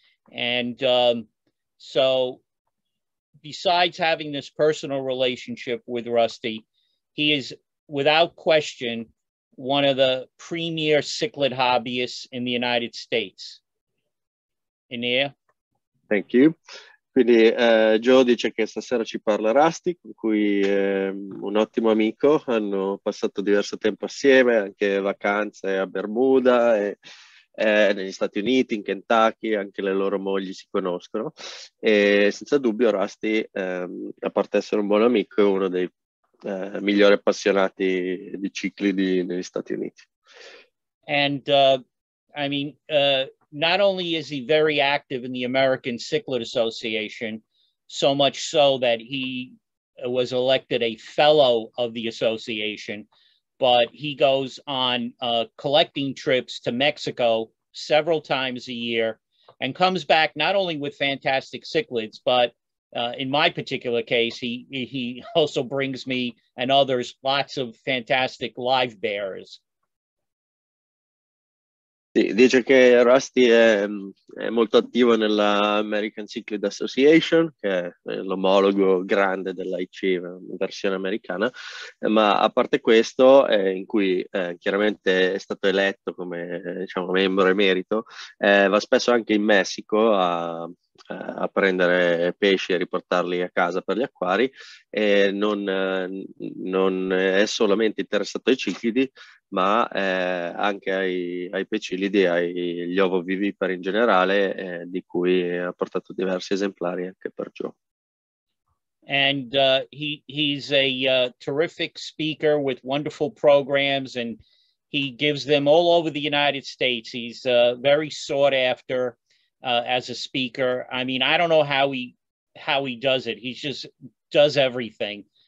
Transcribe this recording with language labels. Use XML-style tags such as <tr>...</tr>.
<en>And so besides having this personal relationship with Rusty, he is without question one of the premier cichlid hobbyists in the United States. Inea? Thank you.</en> <it>Quindi Joe dice che stasera ci parla Rusty, con cui è un ottimo amico, hanno passato diverso tempo assieme, anche vacanze a Bermuda, negli Stati Uniti, in Kentucky, anche le loro mogli si conoscono. E senza dubbio Rusty, a parte essere un buon amico, è uno dei migliori appassionati di ciclidi negli Stati Uniti.</it> <en>And, I mean... Not only is he very active in the American Cichlid Association, so much so that he was elected a fellow of the association, but he goes on collecting trips to Mexico several times a year and comes back not only with fantastic cichlids, but in my particular case, he also brings me and others lots of fantastic live bearers.</en> <it>Dice che Rusty è molto attivo nella American Cichlid Association, che è l'omologo grande dell'AIC, una versione americana, ma a parte questo, in cui chiaramente è stato eletto come diciamo, membro emerito, va spesso anche in Messico a prendere pesci e riportarli a casa per gli acquari e non è solamente interessato ai ciclidi ma anche ai pecilidi, agli ovovivipari in generale di cui ha portato diversi esemplari anche per Joe.</it> <en>And he's a terrific speaker with wonderful programs and he gives them all over the United States. He's very sought after as a speaker. I mean, I don't know how he does it. He just does everything.</en>